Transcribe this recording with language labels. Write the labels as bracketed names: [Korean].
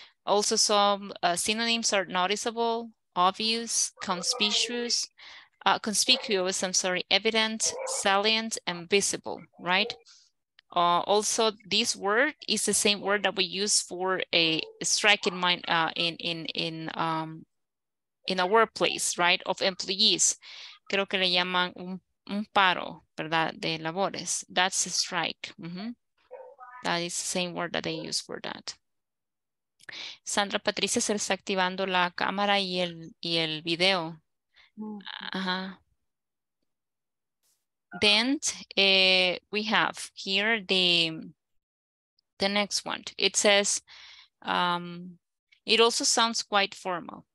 [English] Also, some synonyms are noticeable, obvious, conspicuous, evident, salient, and visible, right? Also, this word is the same word that we use for a strike in mind in a workplace, right? [Spanish] Of employees, creo que le llaman un paro, ¿verdad? [English] De labores. That's a strike. Mm-hmm. That is the same word that they use for that. [Spanish] Sandra Patricia se está activando la cámara y el video. Uh-huh. [English] Then we have here the next one. It says, it also sounds quite formal.